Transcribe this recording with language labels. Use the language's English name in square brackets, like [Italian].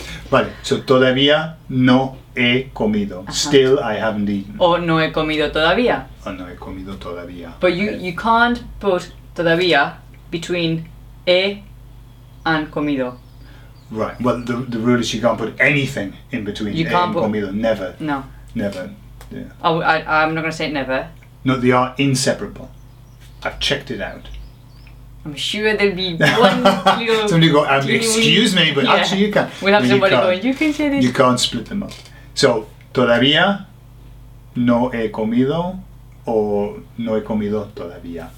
[Spanish] Vale, so todavía no he comido. [English] Uh-huh. Still, I haven't eaten. [Spanish] O no he comido todavía. O no he comido todavía. [English] But okay. you can't put todavía between he and comido. Right, well, the rule is you can't put anything in between you [Spanish] he [English] can't and comido. Never. No. Never. Yeah. I'm not going to say never. No, they are inseparable. I've checked it out. I'm sure there'll be one clue. Somebody go, excuse me, but yeah. actually you can. We'll have somebody going, you can say this. You can't split them up. [Spanish] So, todavía no he comido, or no he comido todavía.